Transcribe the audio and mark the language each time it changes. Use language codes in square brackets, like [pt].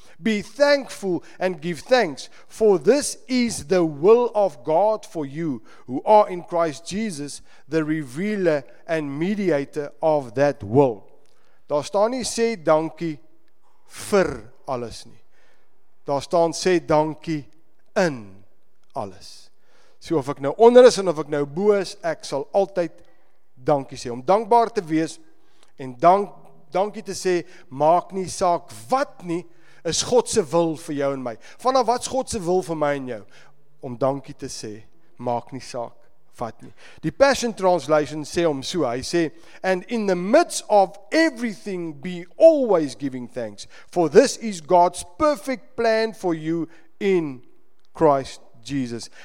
[en] Be thankful and give thanks, for this is the will of God for you, who are in Christ Jesus, the revealer and mediator of that will. [af] Daar staan nie sê dankie vir alles nie. Daar staan sê dankie in alles. So of ek nou onder is en of ek nou bo is, ek sal altyd dankie sê. Om dankbaar te wees en dankie te sê, maak nie saak wat nie, is God se wil vir jou en my. Vanaf wat is God se wil vir my en jou? Om dankie te sê, maak nie saak wat nie. Die Passion Translation sê hom so, hy sê, [en] and in the midst of everything be always giving thanks, for this is God's perfect plan for you in Christ Jesus.